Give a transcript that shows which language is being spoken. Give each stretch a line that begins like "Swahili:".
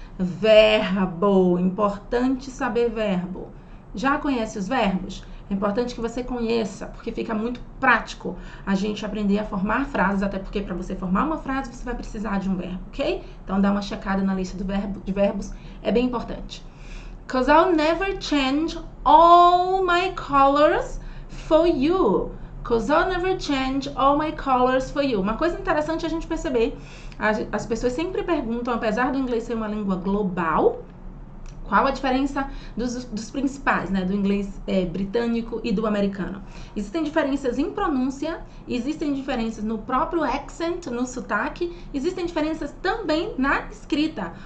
Portuguese: Verbo, importante saber verbo. Já conhece os verbos? É importante que você conheça, porque fica muito prático a gente aprender a formar frases, até porque para você formar uma frase você vai precisar de um verbo, ok? Então dá uma checada na lista do verbo, de verbos, é bem importante.
English: 'Cause I'll never change all my colors for you. 'Cause I'll never change all my colors for you.
Portuguese: Uma coisa interessante a gente perceber, as pessoas sempre perguntam, apesar do inglês ser uma língua global, qual a diferença dos principais, né? Do inglês britânico e do americano? Existem diferenças em pronúncia, existem diferenças no próprio accent, no sotaque, existem diferenças também na escrita.